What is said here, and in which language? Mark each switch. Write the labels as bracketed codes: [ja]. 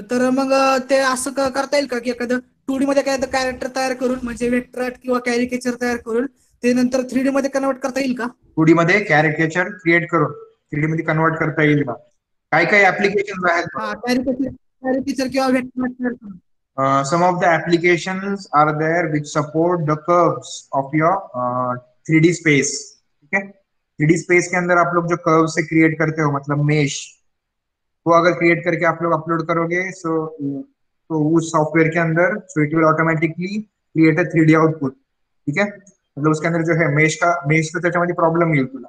[mr] मग ते असं करता येईल का कि एखादं 2D मध्ये काय कॅरेक्टर तयार करून म्हणजे वेट्रॅट किंवा कॅरिकेचर तयार करून ते नंतर 3D मध्ये कन्वर्ट करता येईल का? 2D मध्ये कॅरिकेचर क्रिएट करून 3D मध्ये कन्वर्ट करता येईल का? काय काय ऍप्लिकेशन आहेत हाँ कैरिकेचर किंवा vector. [en] some of the applications are there which support the curves of your 3D space. [hi] ठीक है, 3D space के अंदर आप लोग जो curves से create करते हो, मतलब mesh, वो अगर create करके आप लोग upload करोगे, so उस software के अंदर, [en] so it will automatically create a 3D output. [hi] ठीक है, मतलब उसके अंदर जो है mesh का [mr] त्याच्यामध्ये problem येईल तुला.